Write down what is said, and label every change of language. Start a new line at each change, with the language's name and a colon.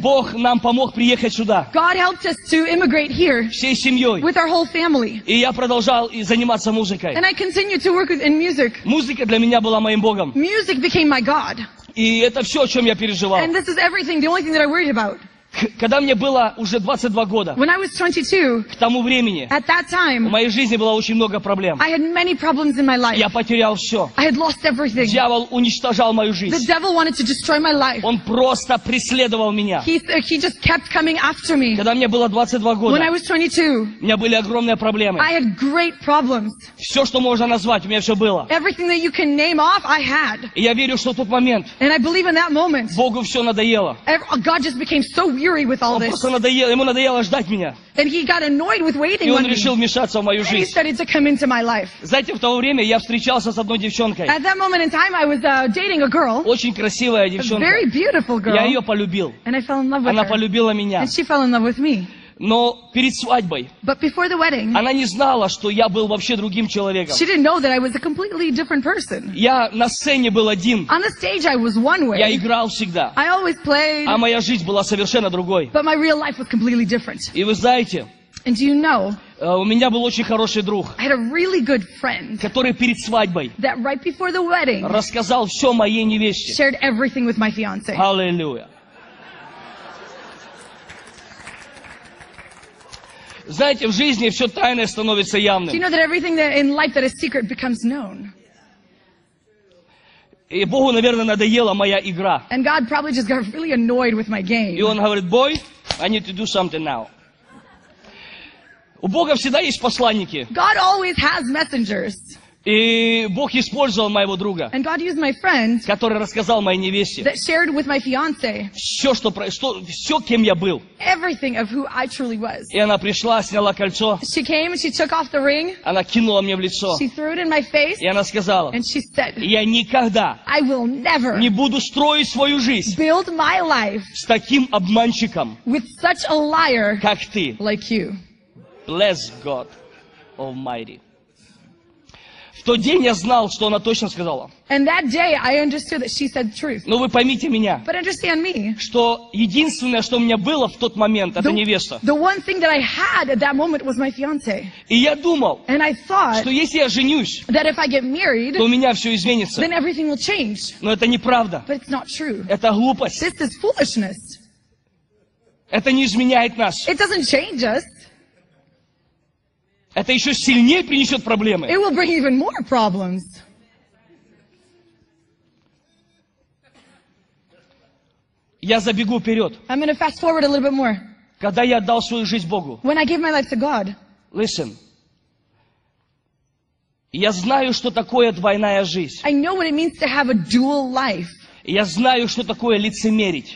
Russian: Бог нам помог приехать сюда.
English: God helped us to immigrate here.
Russian: Всей семьей.
English: With our whole family.
Russian: И я продолжал заниматься музыкой.
English: And I continued to work in music.
Russian: Музыка для меня была моим Богом.
English: Music became my God.
Russian: И это все, о чем я переживал.
English: And this is everything, the only thing that I worried about.
Russian: Когда мне было уже 22 года,
English: when I was 22,
Russian: к тому времени,
English: at that time,
Russian: в моей жизни было очень много проблем.
English: I had many problems in my life.
Russian: Я потерял все.
English: I had lost everything.
Russian: Дьявол уничтожал мою жизнь.
English: The devil wanted to destroy my life.
Russian: Он просто преследовал меня.
English: He just kept coming after me.
Russian: Когда мне было 22 года,
English: when I was 22,
Russian: у меня были огромные проблемы.
English: I had great problems.
Russian: Все, что можно назвать, у меня все было.
English: Everything that you can name off, I had.
Russian: И я верю, что в тот момент,
English: and I believe in that moment,
Russian: Богу все надоело.
English: God just became so weird. With all this.
Russian: Ему надоело ждать меня.
English: And he got annoyed with waiting on me.
Russian: И он решил вмешаться в мою жизнь.
English: And he started to come into my life.
Russian: Знаете, в то время я встречался с одной девчонкой.
English: At that moment in time, I was dating a girl.
Russian: Очень красивая девчонка.
English: A very beautiful girl.
Russian: Я ее полюбил.
English: And I fell in love with
Russian: она
English: her.
Russian: Полюбила меня.
English: And she fell in love with me.
Russian: Но перед свадьбой,
English: but before the wedding,
Russian: она не знала, что я был вообще другим человеком.
English: She didn't know that I was a completely different person.
Russian: Я на сцене был один.
English: On the stage I was one way.
Russian: Я играл всегда.
English: I always played.
Russian: А моя жизнь была совершенно другой.
English: But my real life was completely different.
Russian: И вы знаете,
English: and do you know,
Russian: у меня был очень хороший друг,
English: I had a really good friend,
Russian: который перед свадьбой,
English: that right before the wedding,
Russian: рассказал все моей невесте.
English: Shared everything with my fiance.
Russian: Аллилуйя. Знаете, в жизни все тайное становится явным.
English: Do you know that everything that in life that is secret becomes known?
Russian: И Богу, наверное, надоела моя игра.
English: And God probably just got really annoyed with my game.
Russian: И он говорит,
English: boy, I need to do something now.
Russian: У Бога всегда есть посланники.
English: God always has messengers.
Russian: И Бог использовал моего друга,
English: and God used my friend,
Russian: который рассказал моей невесте,
English: that shared with my fiance,
Russian: все, что, что, все, кем я был.
English: Everything of who I truly was.
Russian: И она пришла, сняла кольцо.
English: She came and she took off the ring.
Russian: Она кинула мне в лицо.
English: She threw it in my face.
Russian: И она сказала,
English: and she said,
Russian: я никогда,
English: I will never,
Russian: не буду строить свою жизнь,
English: build my life,
Russian: с таким обманщиком,
English: with such a liar,
Russian: как ты,
English: like you. Bless God Almighty.
Russian: В тот день я знал, что она точно сказала.
English: And that day I understood that she said truth.
Russian: Но вы поймите меня.
English: But understand me.
Russian: Что единственное, что у меня было в тот момент, это невеста.
English: The one thing that I had at that moment was my fiance.
Russian: И я думал,
English: and I thought,
Russian: что если я женюсь,
English: that if I get married,
Russian: то у меня все изменится.
English: Then everything will change.
Russian: Но это неправда.
English: But it's not true.
Russian: Это глупость.
English: This is foolishness.
Russian: Это не изменяет нас.
English: It doesn't change us.
Russian: Это еще сильнее принесет проблемы.
English: It will bring even more problems.
Russian: Я забегу вперед.
English: I'm going to fast forward a little bit more.
Russian: Когда я отдал свою жизнь Богу.
English: When I gave my life to God. Listen.
Russian: Я знаю, что такое двойная жизнь.
English: I know what it means to have a dual life.
Russian: Я знаю, что такое лицемерить.